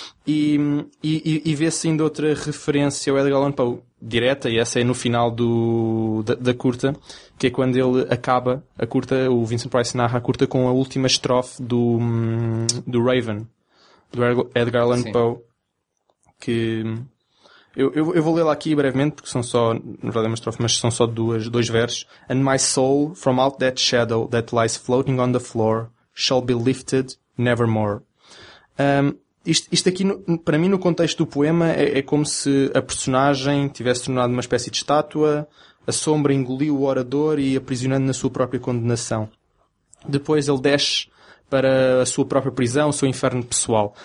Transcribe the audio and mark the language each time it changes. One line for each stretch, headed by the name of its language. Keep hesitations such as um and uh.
Portuguese: E, e, e vê-se ainda outra referência ao Edgar Allan Poe, direta, e essa é no final do, da, da, curta, que é quando ele acaba a curta, o Vincent Price narra a curta com a última estrofe do, do Raven, do Edgar Allan sim. Poe, que. Eu, eu, eu vou ler lá aqui brevemente, porque são só, na verdade é uma estrofe, mas são só duas, dois versos.
English: And my soul, from out that shadow that lies floating on the floor, shall be lifted nevermore.
Portuguese: Um, isto, isto aqui, no, para mim, no contexto do poema, é, é como se a personagem tivesse tornado uma espécie de estátua, a sombra engoliu o orador e aprisionando na sua própria condenação. Depois ele desce para a sua própria prisão, o seu inferno pessoal.